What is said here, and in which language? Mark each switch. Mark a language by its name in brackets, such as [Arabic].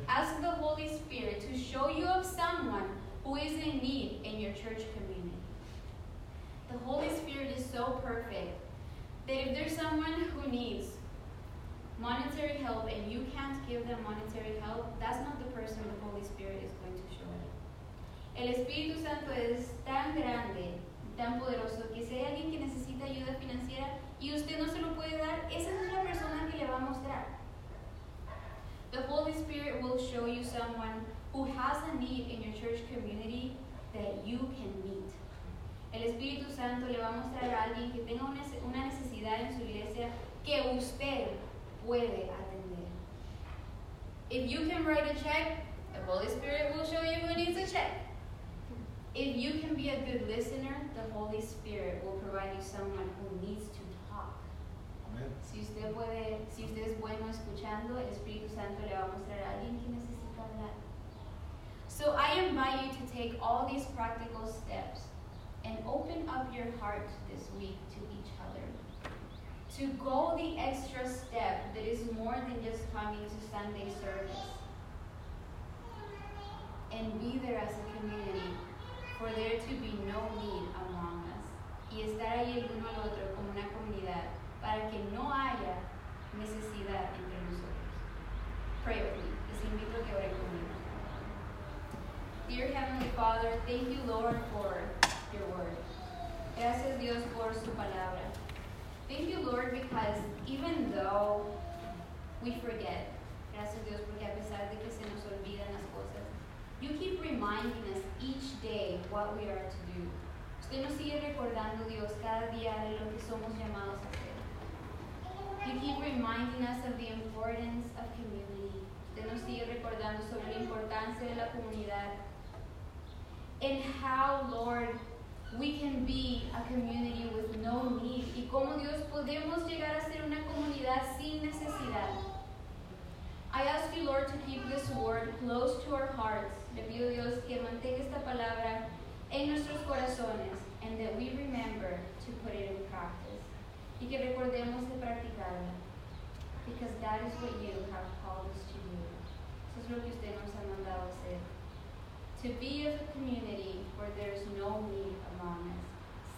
[English] Ask the Holy Spirit to show you of someone who is in need in your church community. The Holy Spirit is so perfect that if there's someone who needs monetary help and you can't give them monetary help, that's not the person the Holy Spirit is going to show you. [Spanish] El Espíritu Santo es tan grande, tan poderoso, que si hay alguien que necesita ayuda financiera y usted no se lo puede dar, esa es la persona que le va a mostrar. [English] The Holy Spirit will show you someone who has a need in your church community that you can meet. [Spanish] El Espíritu Santo le va a mostrar a alguien que tenga una necesidad en su iglesia que usted puede atender. [English] If you can write a check, the Holy Spirit will show you who needs a check. If you can be a good listener, the Holy Spirit will provide you someone who needs to talk. Amen. [Spanish] Si usted es bueno escuchando, el Espíritu Santo le va a mostrar a alguien que necesita hablar. [English] So I invite you to take all these practical steps and open up your heart this week to each other. To go the extra step that is more than just coming to Sunday service. And be there as a community for there to be no need among us. [Spanish] Y estar ahí el uno al otro como una comunidad para que no haya necesidad entre nosotros. [English] Pray with me. [Spanish] Les invito a que oren conmigo. [English] Dear Heavenly Father, thank you, Lord, for your word. [Spanish] Gracias, Dios, por su palabra. [English] Thank you, Lord, because even though we forget, [Spanish] gracias, Dios, porque a pesar de que se nos olvidan las cosas, [English] you keep reminding us each day what we are to do. [Spanish] Usted nos sigue recordando, Dios, cada día de lo que somos llamados a hacer. [English] You keep reminding us of the importance of community. [Spanish] Usted nos sigue recordando sobre la importancia de la comunidad. [English] And how, Lord, we can be a community with no need. [Spanish] Y cómo, Dios, podemos llegar a ser una comunidad sin necesidad. [English] I ask you, Lord, to keep this word close to our hearts. [Spanish] Le pido, Dios, que mantenga esta palabra en nuestros corazones, [English] and that we remember to put it in practice. [Spanish] Y que recordemos de practicarla, [English] because that is what you have called us to do. [Spanish] Eso es lo que usted nos ha mandado hacer. [English] To be of a community where there is no need among us.